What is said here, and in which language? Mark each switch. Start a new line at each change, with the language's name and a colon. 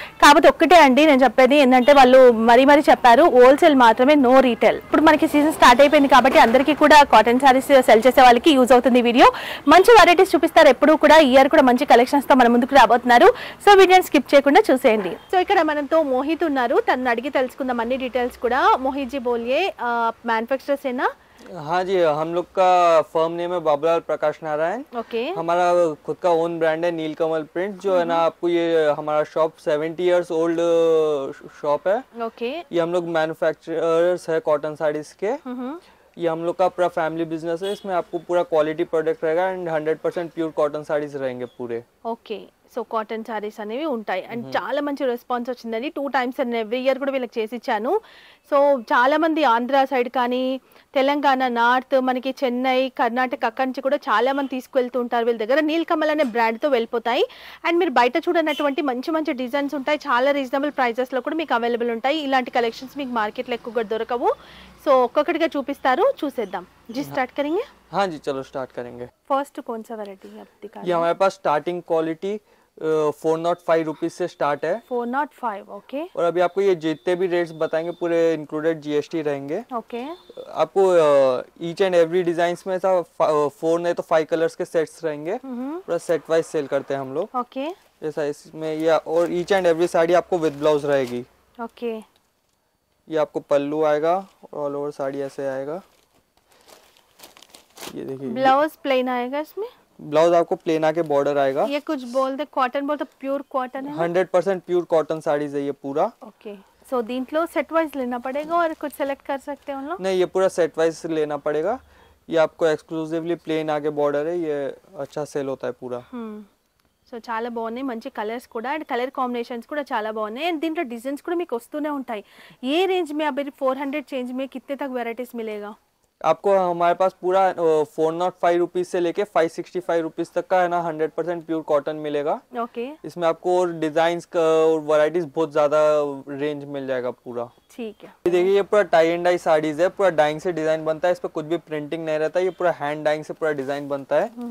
Telugu: కాబట్టి ఒక్కటే అండి నేను చెప్పేది ఏంటంటే వాళ్ళు మరీ మరీ చెప్పారు హోల్సేల్ మాత్రమే నో రీటైల్ ఇప్పుడు మనకి సీజన్ స్టార్ట్ అయిపోయింది కాబట్టి అందరికీ కూడా కాటన్ సారీస్ సెల్ చేసే వాళ్ళకి యూజ్ అవుతుంది వీడియో మంచి వెరైటీస్ చూపిస్తారు ఎప్పుడు కూడా ఇయర్ కూడా మంచి కలెక్షన్స్ తో మన ముందుకు రాబోతున్నారు సో వీడియో స్కిప్ చేయకుండా చూసేయండి సో ఇక్కడ మనతో మోహిత్ ఉన్నారు తనని అడిగి తెలుసుకుందాం అన్ని డీటెయిల్స్ కూడా మోహిత్
Hindi: జీ బోలియే
Telugu: మ్యానుఫ్యాక్చరర్స్ ఏనా
Hindi: हाँ जी हम लोग का फर्म नेम है बाबूलाल प्रकाश नारायण हमारा खुद का ओन ब्रांड है नीलकमल प्रिंट जो है ना आपको ये हमारा शॉप 70 इयर्स ओल्ड शॉप है ये हम लोग मैन्युफैक्चरर्स है कॉटन साड़ीज के ये हम लोग का पूरा फैमिली बिजनेस है इसमें आपको पूरा क्वालिटी प्रोडक्ट रहेगा एंड 100% प्योर कॉटन साड़ीज रहेंगे पूरे
Telugu: సో కాటన్ సారీస్ అనేవి ఉంటాయి అండ్ చాలా మంచి రెస్పాన్స్ వచ్చిందండి 2 టైమ్స్ అండ్ ఎవ్రీ ఇయర్ కూడా వీళ్ళకి చేసిచ్చాను సో చాలా మంది ఆంధ్ర సైడ్ కానీ తెలంగాణ నార్త్ మనకి చెన్నై కర్ణాటక అక్కడి నుంచి కూడా చాలా మంది తీసుకువెళ్తూ ఉంటారు వీళ్ళ దగ్గర నీల్కమల్ అనే బ్రాండ్తో వెళ్ళిపోతాయి అండ్ మీరు బయట చూడనటువంటి మంచి మంచి డిజైన్స్ ఉంటాయి చాలా రీజనబుల్ ప్రైజెస్లో కూడా మీకు అవైలబుల్ ఉంటాయి ఇలాంటి కలెక్షన్స్ మీకు మార్కెట్లో ఎక్కువగా దొరకవు సో ఒక్కొక్కటిగా చూపిస్తారు చూసేద్దాం
Hindi: జీ స్టార్ట్ కరింగే हाँ जी चलो स्टार्ट करेंगे फर्स्ट कौन सा वैरायटी है आपकी ये हमारे पास स्टार्टिंग क्वालिटी 405 रुपीज से स्टार्ट है 405 ओके और अभी आपको ये जितने भी रेट्स बताएंगे पूरे इंक्लूडेड जीएसटी रहेंगे ओके आपको ईच एंड एवरी डिजाइन में सब 4 नहीं तो 5 कलर्स के सेट्स रहेंगे पूरा सेट वाइज सेल करते हैं हम लोग ओके जैसा इसमें या और ईच एंड एवरी साड़ी आपको विद ब्लाउज रहेगी ओके ये आपको पल्लू आएगा और ऑल ओवर साड़ी ऐसे आएगा ये देखिए ब्लाउज प्लेन आएगा इसमें ब्लाउज आपको प्लेन आके बॉर्डर आएगा। ये कुछ बोल दे कॉटन बोल तो प्योर कॉटन है। 100% प्योर कॉटन साड़ी है ये पूरा। ओके सो
Telugu: दींट्लो
Hindi: सेट वाइज लेना पड़ेगा और कुछ सेलेक्ट कर सकते हैं उन लोग? नहीं ये पूरा सेट वाइज लेना पड़ेगा, ये आपको एक्सक्लूसिवली प्लेन आके बॉर्डर है, ये अच्छा सेल होता है पूरा।
Telugu: सो చాలా బాగున్నాయి, మంచి కలర్స్ కూడా అండ్ కలర్ కాంబినేషన్స్ కూడా చాలా బాగున్నాయి అండ్ దీంట్లో డిజైన్స్ కూడా మీకు వస్తూనే ఉంటాయి.
Hindi: ఏ రేంజ్ మే అబ్బే 400 చేంజ్ మే కిత్నే తక్ వెరైటీస్ మిలేగా आपको? हमारे पास पूरा 405 रुपीज से लेके 565 रुपीज तक का है ना 100% प्योर कॉटन मिलेगा। ओके इसमें आपको और डिजाइन्स का और वैरायटीज बहुत ज्यादा रेंज मिल जाएगा पूरा। ठीक है ये देखिए ये पूरा टाई एंड डाई साड़ीज है, पूरा डाइंग से डिजाइन बनता है, इस पर कुछ भी प्रिंटिंग नहीं रहता, ये पूरा हैंड डाइंग से पूरा डिजाइन बनता है।